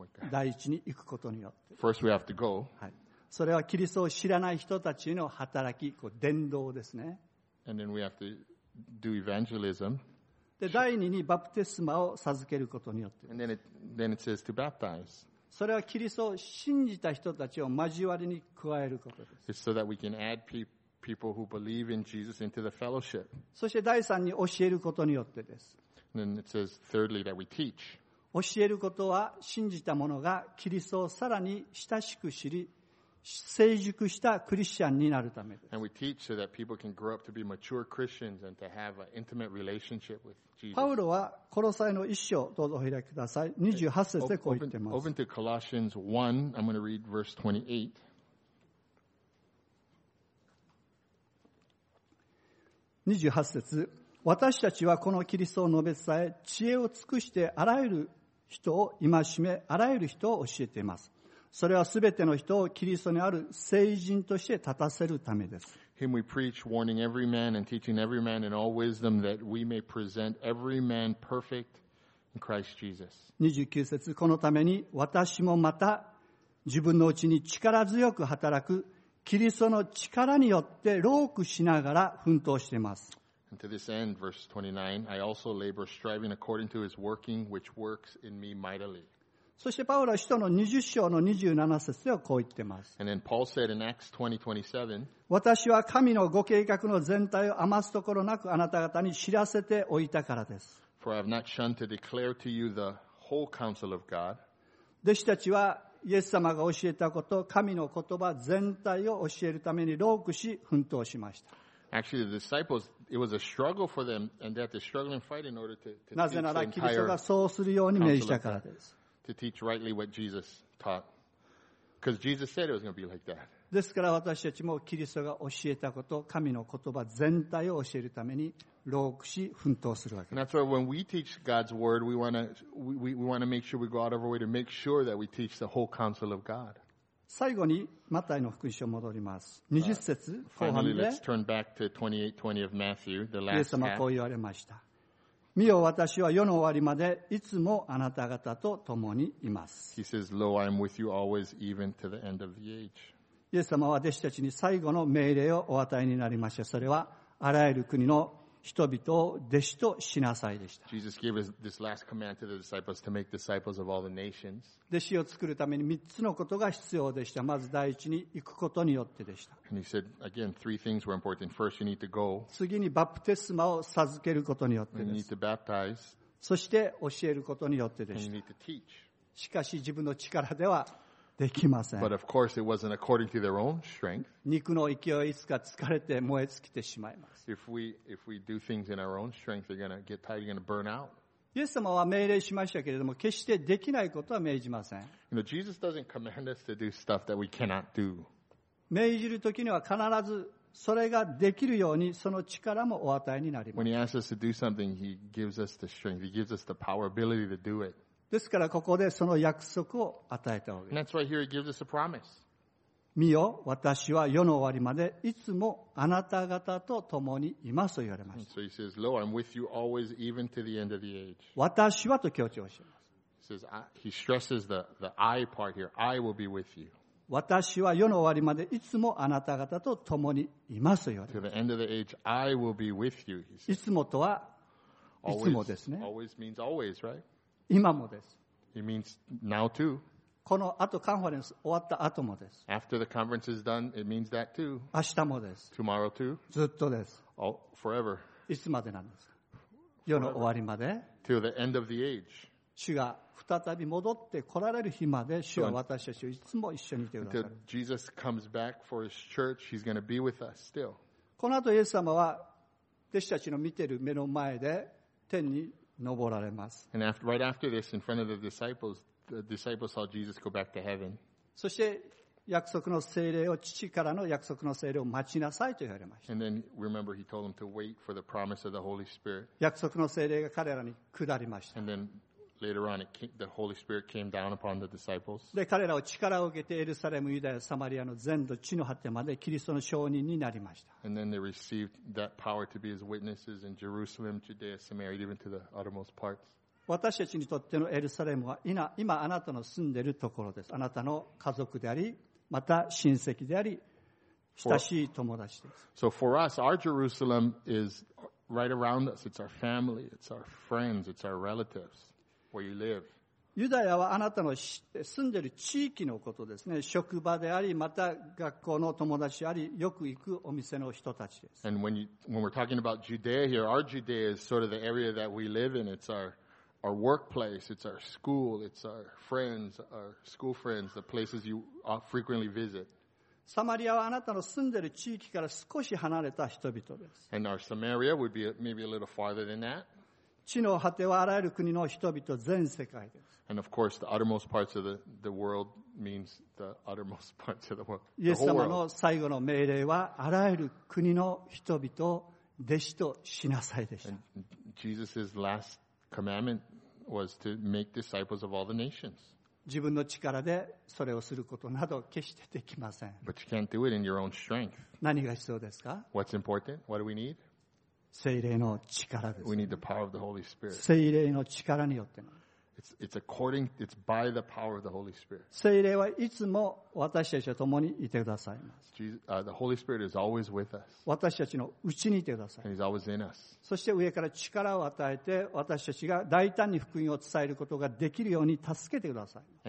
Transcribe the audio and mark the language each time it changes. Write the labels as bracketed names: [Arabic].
[Japanese] 第一に行くことによって。 [English] First we have to go. [Japanese] はい。それはキリストを知らない人たちの働き、こう伝道ですね。 [English] And then we have to do evangelism. [Japanese] で、第二にバプテスマを授けることによって。 [English] And then it says to baptize. [Japanese] それはキリストを信じた人たちを交わりに加えることです。 [English] It's so that we can add people who believe in Jesus into the fellowship. [Japanese] そして第三に教えることによってです。 [English] And it says thirdly that we teach. [Japanese] 教えることは信じた者がキリストをさらに親しく知り、成熟したクリスチャンになるためです。 [English] And we teach so that people can grow up to be mature Christians and to have an intimate relationship with Jesus. [Japanese] パウロはコロサイの一章、どうぞお開きください。 28節でこう言ってます。 [English] Open to Colossians 1, I'm going to read verse 28. verse 28. [Japanese] 私たちはこのキリストを述べ伝え、知恵を尽くしてあらゆる人を戒め、あらゆる人を教えています。それはすべての人をキリストにある聖人として立たせるためです。 [English] Him we preach, warning every man and teaching every man in all wisdom that we may present every man perfect in Christ Jesus. [Japanese] 29節、このために私もまた自分のうちに力強く働くキリストの力によって労苦しながら奮闘しています。 [English] And to this end, verse 29, I also labor striving according to his working which works in me mightily. [Japanese] そしてパウロは使徒の20章の27節ではこう言っています。 [English] And then Paul said in Acts 20:27, [Japanese] 私は神のご計画の全体を余すところなくあなた方に知らせておいたからです。 [English] For I have not shunned to declare to you the whole counsel of God. [Japanese] 弟子たちはイエス様が教えたこと、神の言葉全体を教えるために労苦し奮闘しました。 [English] Actually, the disciples, it was a struggle for them, and they had to struggle and fight in order to teach the entire [Japanese] なぜならキリストがそうするように命じたからです。 [English] To teach rightly what Jesus taught. Because Jesus said it was going to be like that. [Japanese] ですから私たちもキリストが教えたこと、神の言葉全体を教えるために労苦し奮闘するわけです。 [English] And that's why when we teach God's word, we want to make sure we go out of our way to make sure that we teach the whole counsel of God. [Japanese] 最後にマタイの福音書戻ります。 20節、後半で。 [English] Finally, let's turn back to 28:20 of Matthew, the last half. [Japanese] イエス様こう言われました。見よ、私は世の終わりまでいつもあなた方と共にいます。 [English] He says, Lo, I am with you always, even to the end of the age. [Japanese] イエス様は弟子たちに最後の命令をお与えになりました。それはあらゆる国の人々を弟子としなさいでした。 [English] Jesus gave this last command to the disciples to make disciples of all the nations. [Japanese] 弟子を作るために3つのことが必要でした。まず第一に行くことによってでした。 [English] And he said, again, three things were important. First, you need to go. [Japanese] 次にバプテスマを授けることによってです。 [English] And you need to baptize. [Japanese] そして教えることによってでした。 [English] And you need to teach. [Japanese] しかし自分の力ではできません。 [English] But of course, it wasn't according to their own strength. [Japanese] 肉の勢いいつか疲れて燃え尽きてしまいます。 [English] If we do things in our own strength, you're going to get tired, you're going to burn out. [Japanese] イエス様は命令しましたけれども、決してできないことは命じません。 [English] You know, Jesus doesn't command us to do stuff that we cannot do. [Japanese] 命じるときには必ずそれができるようにその力もお与えになります。 [English] When he asks us to do something, he gives us the strength. He gives us the power, ability to do it. [Japanese] ですからここでその約束を与えたわけです。 [English] That's why here he gives us a promise. [Japanese] 見よ、私は世の終わりまでいつもあなた方と共にいますと言われました。 [English] So he says, Lo, I'm with you always, even to the end of the age. [Japanese] 私はと強調します。 [English] He stresses the I part here. I will be with you. [Japanese] 私は世の終わりまでいつもあなた方と共にいますと言われました。 [English] To the end of the age, I will be with you. [Japanese] いつもとはいつもですね。 [English] Always means always, right? [Japanese] 今もです。 [English] It means now too. [Japanese] この後カンファレンス終わった後もです。 [English] After the conference is done, it means that too. [Japanese] 明日もです。 [English] Tomorrow too. [Japanese] ずっとです。 [English] All, forever. [Japanese] いつまでなんですか。世の終わりまで。 [English] Till the end of the age. [Japanese] 主が再び戻って来られる日まで、主は私たちをいつも一緒にいてください。 [English] Until Jesus comes back for his church, he's going to be with us still. [Japanese] この後イエス様は弟子たちの見てる目の前で天に昇られます。 [English] And after, right after this, in front of the disciples saw Jesus go back to heaven. [Japanese] そして約束の聖霊を、父からの約束の聖霊を待ちなさいと言われました。 [English] And then remember, he told them to wait for the promise of the Holy Spirit. [Japanese] 約束の聖霊が彼らに下りました。 [English] And then later on, the Holy Spirit came down upon the disciples. [Japanese] で、彼らを力を受けてエルサレム、ユダヤ、サマリアの全土、地の果てまでキリストの証人になりました。 [English] And then they received that power to be his witnesses in Jerusalem, Judea, Samaria, even to the uttermost parts. [Japanese] 私たちにとってのエルサレムは今あなたの住んでいるところです。あなたの家族であり、また親戚であり、親しい友達です。 [English] So for us, our Jerusalem is right around us. It's our family, it's our friends, it's our relatives. Where you live. [Japanese] ユダヤはあなたの住んでいる地域のことですね。職場であり、また学校の友達であり、よく行くお店の人たちです。 [English] And when we're talking about Judea here, our Judea is sort of the area that we live in. It's our workplace, it's our school, it's our school friends, the places you frequently visit. [Japanese] サマリアはあなたの住んでいる地域から少し離れた人々です。 [English] And our Samaria would be maybe a little farther than that. [Japanese] 地の果てはあらゆる国の人々、全世界です。 [English] And of course, the uttermost parts of the world means the uttermost parts of the world. [Japanese] イエス様の最後の命令は、あらゆる国の人々を弟子としなさいでした。 [English] And Jesus' last commandment was to make disciples of all the nations. [Japanese] 自分の力でそれをすることなど決してできません。 [English] But you can't do it in your own strength. [Japanese] 何が必要ですか? [English] What's important? What do we need? [Japanese] 聖霊の力です、ね。 [English] We need the power of the Holy Spirit. [Japanese] 聖霊の力によっての。 [English] It's by the power of the Holy Spirit. [Japanese] 聖霊はいつも私たちと共にいてくださいます。 [English] The Holy Spirit is always with us. [Japanese] 私たちの内にいてください。 [English] He's always in us. [Japanese] そして上から力を与えて私たちが大胆に福音を伝えることができるように助けてください。